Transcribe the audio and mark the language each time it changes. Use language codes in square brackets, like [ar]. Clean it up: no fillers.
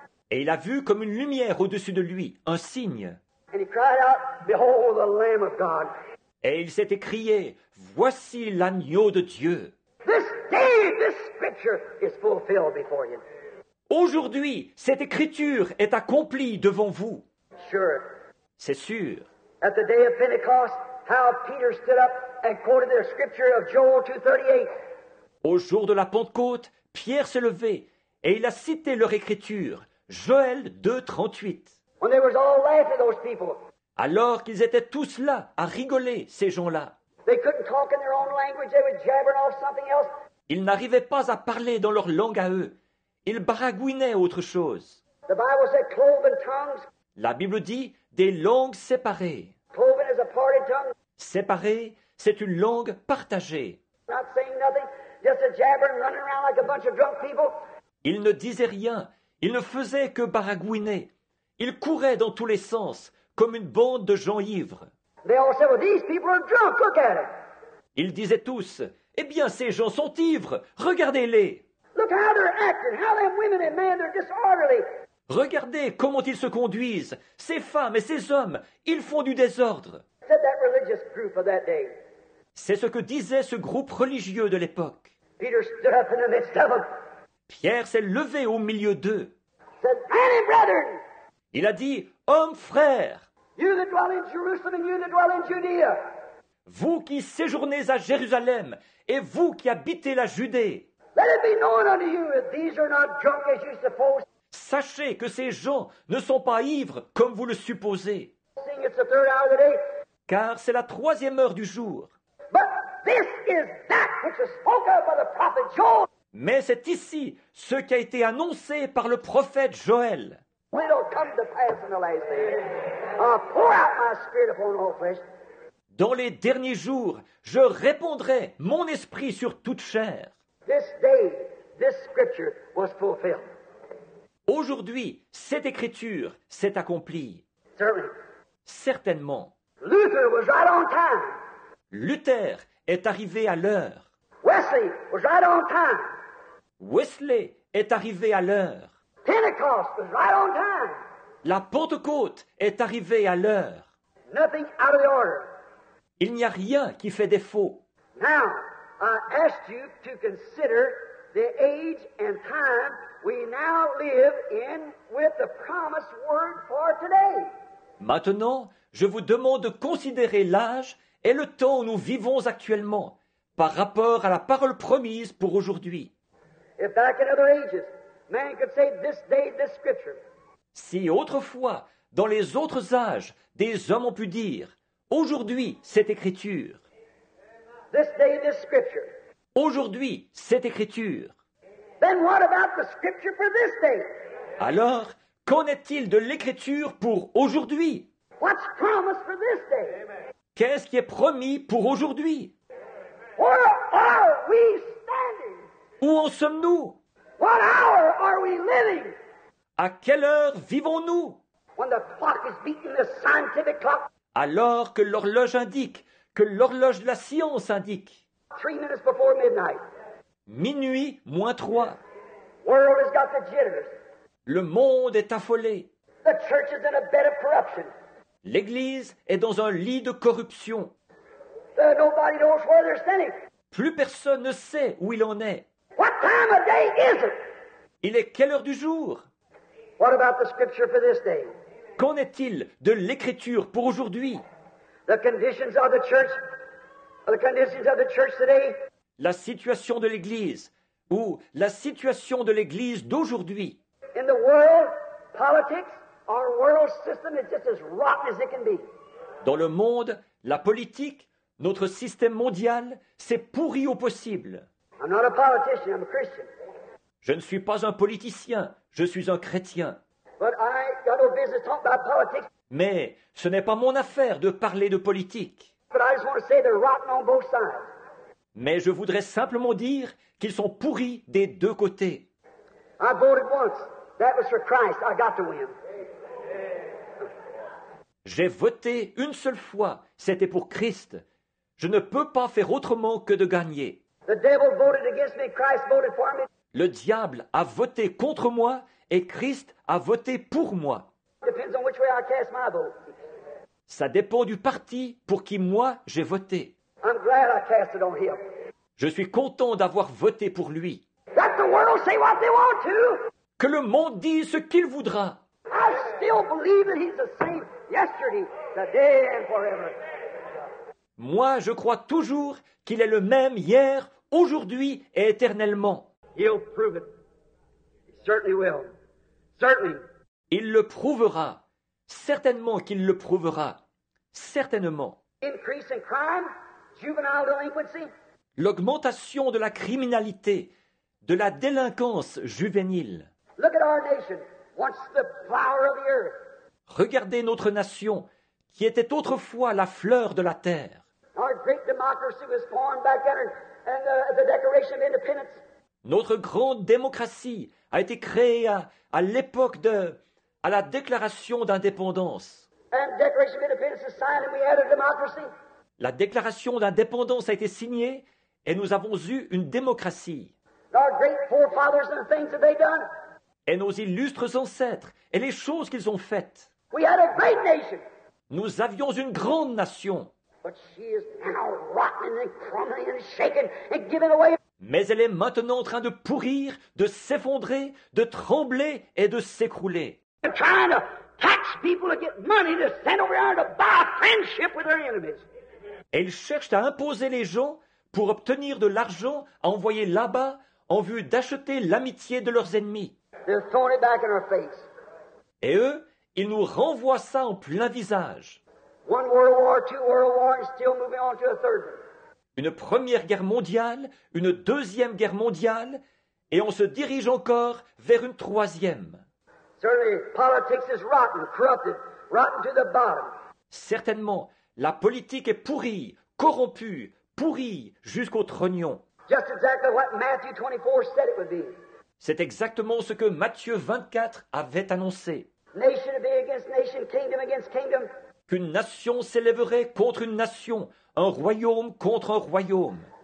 [fr] Et il a vu comme une lumière au-dessus de lui, un signe. [en] And he cried out, "Behold the Lamb of God." [fr] Et il s'est écrié, voici l'agneau de Dieu. [en] This day, this scripture is fulfilled before you. [fr] Aujourd'hui, cette écriture est accomplie devant vous. [en] Sure. [fr] C'est sûr. [en] At the day of Pentecost, how Peter stood up and quoted the scripture of Joel 2:38. [fr] Au jour de la Pentecôte, Pierre s'est levé et il a cité leur écriture, Joël 2:38. [en] When they was all laughing, those people. [fr] Alors qu'ils étaient tous là à rigoler, ces gens-là. [en] They couldn't talk in their own language. They were jabbering off something else. [fr] Ils n'arrivaient pas à parler dans leur langue à eux. Ils baragouinaient autre chose. [en] The Bible said cloven tongues. [fr] La Bible dit des langues séparées. [en] Cloven is a parted tongue. [fr] Séparée, c'est une langue partagée. [en] Not saying nothing, just a jabbering, running around like a bunch of drunk people. [fr] Ils ne disaient rien. Ils ne faisaient que baragouiner. Ils couraient dans tous les sens, comme une bande de gens ivres. [en] They all said, well, these people are drunk. Look at them. [fr] Ils disaient tous, eh bien, ces gens sont ivres. Regardez-les. [en] Look how they're acting. How them women and men are disorderly. [fr] Regardez comment ils se conduisent. Ces femmes et ces hommes, ils font du désordre. [en] Said that religious group of that day. [fr] C'est ce que disait ce groupe religieux de l'époque. [en] Peter stood up in the midst of them. [fr] Pierre s'est levé au milieu d'eux. [en] Said, man and brethren. [fr] Il a dit, hommes frères. [en] You that dwell in Jerusalem and you that dwell in Judea. [fr] Vous qui séjournez à Jérusalem et vous qui habitez la Judée. [en] Let it be known unto you that these are not drunk as you suppose. [fr] Sachez que ces gens ne sont pas ivres comme vous le supposez. [en] Seeing it's the third hour of the day. [fr] Car c'est la troisième heure du jour. [en] But this is that which is spoken by the prophet Joel. [fr] Mais c'est ici ce qui a été annoncé par le prophète Joël. [en] Will come to pass in the last days. I'll pour out my spirit upon all flesh. [fr] Dans les derniers jours, je répandrai mon esprit sur toute chair. [en] This day, this scripture was fulfilled. [fr] Aujourd'hui, cette écriture s'est accomplie. [en] Certainly. [fr] Certainement. [en] Luther was right on time. [fr] Luther est arrivé à l'heure. [en] Wesley was right on time. [fr] Wesley est arrivé à l'heure. [en] Pentecost was right on time. [fr] La Pentecôte est arrivée à l'heure. [en] Nothing out of the order. [fr] Il n'y a rien qui fait défaut. [en] Now, I asked you to consider the age and time we now live in with the promised word for today. [fr] Maintenant, je vous demande de considérer l'âge et le temps où nous vivons actuellement par rapport à la parole promise pour aujourd'hui. [en] If back in other ages, man could say this day, this scripture. [fr] Si autrefois, dans les autres âges, des hommes ont pu dire, aujourd'hui, cette écriture. [en] This day, this scripture. [fr] Aujourd'hui, cette écriture. [en] Then what about the scripture for this day? [fr] Alors, qu'en est-il de l'écriture pour aujourd'hui? [en] What's promised for this day? [fr] Qu'est-ce qui est promis pour aujourd'hui? [en] Where are we standing? [fr] Où en sommes-nous? [en] What hour are we living? [fr] À quelle heure vivons-nous? [en] When the clock is beating the scientific clock. [fr] Alors que l'horloge indique, que l'horloge de la science indique. [en] 3 minutes before midnight. [fr] Minuit moins trois. [en] World has got the jitters. [fr] Le monde est affolé. [en] The church is in a bed of corruption. [fr] L'église est dans un lit de corruption. [en] Nobody knows where they're standing. [fr] Plus personne ne sait où il en est. [en] What time of day is it? [fr] Il est quelle heure du jour? [en] What about the scripture for this day? [fr] Qu'en est-il de l'écriture pour aujourd'hui? [en] The conditions of the church, the conditions of the church today. [fr] La situation de l'église ou la situation de l'église d'aujourd'hui. [en] In the world, politics, our world system is just as rotten as it can be. [fr] Dans le monde, la politique, notre système mondial, c'est pourri au possible. [en] I'm not a politician, I'm a Christian. [fr] Je ne suis pas un politicien, je suis un chrétien. [en] But I got no business talking about politics. [fr] Mais ce n'est pas mon affaire de parler de politique. [en] But I just want to say they're rotten on both sides. [fr] Mais je voudrais simplement dire qu'ils sont pourris des deux côtés. [en] I voted once. That was for Christ. I got to win. [fr] J'ai voté une seule fois. C'était pour Christ. Je ne peux pas faire autrement que de gagner. [en] The devil voted against me. Christ voted for me. [fr] Le diable a voté contre moi et Christ a voté pour moi. [en] Depends on which way I cast my vote. [fr] Ça dépend du parti pour qui moi j'ai voté. [en] I'm glad I cast it on him. [fr] Je suis content d'avoir voté pour lui. [en] Let the world say what they want to. [fr] Que le monde dise ce qu'il voudra. [en] I still believe that he's the same yesterday, today and forever. [fr] Moi, je crois toujours qu'il est le même hier, aujourd'hui et éternellement. [en] He'll prove it. He certainly will. Certainly. [fr] Il le prouvera. Certainement qu'il le prouvera. Certainement. [en] Increase in crime, juvenile delinquency. [fr] L'augmentation de la criminalité, de la délinquance juvénile. [en] Look at our nation, once the flower of the earth. [fr] Regardez notre nation, qui était autrefois la fleur de la terre. [en] Our great democracy was formed back then, and the Declaration of Independence. [fr] Notre grande démocratie a été créée à l'époque de à la Déclaration d'Indépendance. [en] And Declaration of Independence is signed and we had a democracy. [fr] La Déclaration d'Indépendance a été signée et nous avons eu une démocratie. [en] Our great forefathers and the things that they've done. [fr] Et nos illustres ancêtres et les choses qu'ils ont faites. [en] We had a great nation. [fr] Nous avions une grande nation. [en] But she is now rotten and crumbling and shaken and giving away. [fr] Mais elle est maintenant en train de pourrir, de s'effondrer, de trembler et de s'écrouler. [en] They're trying to tax people to get money to send over there to buy friendship with their enemies. [fr] Et ils cherchent à imposer les gens pour obtenir de l'argent à envoyer là-bas en vue d'acheter l'amitié de leurs ennemis. [en] They're throwing it back in our face. [fr] Et eux, ils nous renvoient ça en plein visage. [en] One world war, two world war, and still moving on to a third. [fr] Une première guerre mondiale, une deuxième guerre mondiale, et on se dirige encore vers une troisième. [en] Certainly, politics is rotten, corrupted, rotten to the bottom. [fr] Certainement, la politique est pourrie, corrompue, pourrie jusqu'au trognon. [en] Just exactly what Matthew 24 said it would be. [fr] C'est exactement ce que Matthieu 24 avait annoncé. [en] Nation be against nation, kingdom against kingdom. [fr] Qu'une nation s'élèverait contre une nation, un royaume contre un royaume.